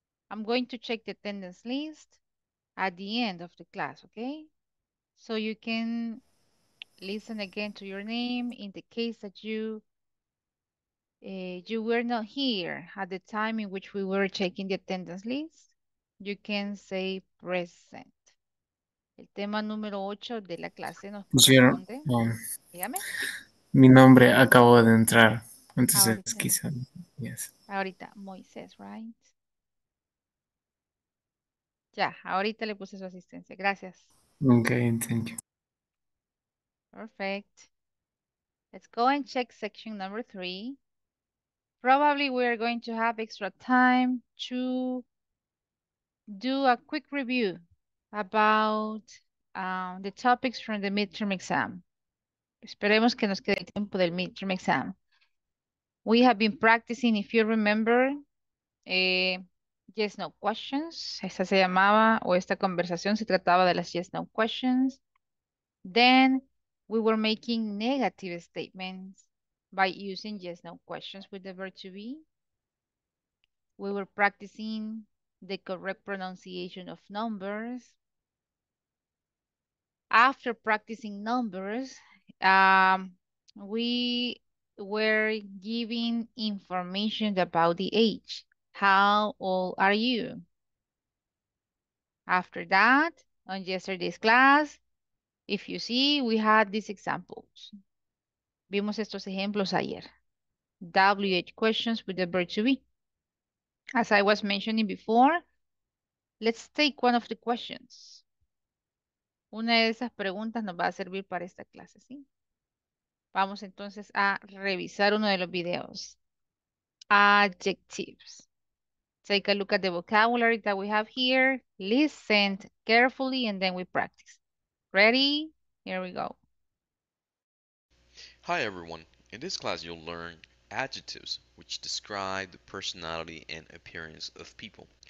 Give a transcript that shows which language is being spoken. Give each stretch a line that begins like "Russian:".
English: I'm going to check the attendance list at the end of the class, okay? So you can listen again to your name in the case that you were not here at the time in which we were checking the attendance list. You can say present.
Spanish: El tema número 8 de la clase nos corresponde. Dígame. Mi nombre acabo de entrar. Entonces, ahorita. Quizá. Yes. Ahorita, Moisés, right? Ya, ahorita le puse su asistencia. Gracias.
English: Okay, thank you. Perfect. Let's go and check section number 3. Probably we are going to have extra time to do a quick review about the topics from the midterm exam.
Spanish: Esperemos que nos quede el tiempo del midterm exam.
English: We have been practicing, if you remember, yes, no questions.
Spanish: Esta se llamaba, o esta conversación se trataba de las yes, no questions.
English: Then we were making negative statements by using yes, no questions with the verb to be. We were practicing the correct pronunciation of numbers. After practicing numbers, we were giving information about the age. How old are you? After that, on yesterday's class, if you see, we had these examples.
Spanish: Vimos estos ejemplos ayer.
English: WH questions with the verb to be. As I was mentioning before, let's take one of the questions.
Spanish: Una de esas preguntas nos va a servir para esta clase, ¿sí? Vamos entonces a revisar uno de los videos.
English: Adjectives. Take a look at the vocabulary that we have here. Listen carefully and then we practice. Ready? Here we go. Hi everyone. In this class you'll learn adjectives which describe the personality and appearance of people.